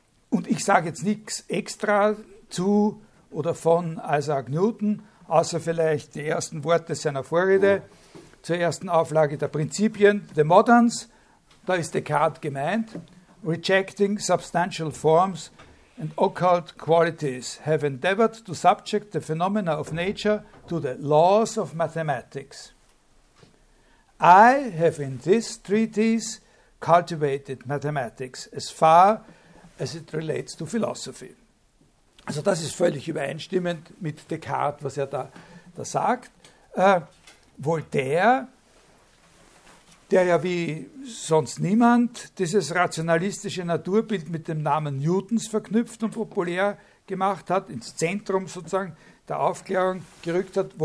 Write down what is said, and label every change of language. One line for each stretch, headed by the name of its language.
German: Und ich sage jetzt nichts extra zu oder von Isaac Newton, außer vielleicht die ersten Worte seiner Vorrede, zur ersten Auflage der Prinzipien,
English: The Moderns,
German: da ist Descartes gemeint,
English: Rejecting Substantial Forms and Occult Qualities have endeavored to subject the phenomena of nature to the laws of mathematics. I have in this treatise cultivated mathematics as far as it relates to philosophy.
German: Also das ist völlig übereinstimmend mit Descartes, was er da sagt. Voltaire, der ja wie sonst niemand dieses rationalistische Naturbild mit dem Namen Newtons verknüpft und populär gemacht hat, ins Zentrum sozusagen der Aufklärung gerückt hat.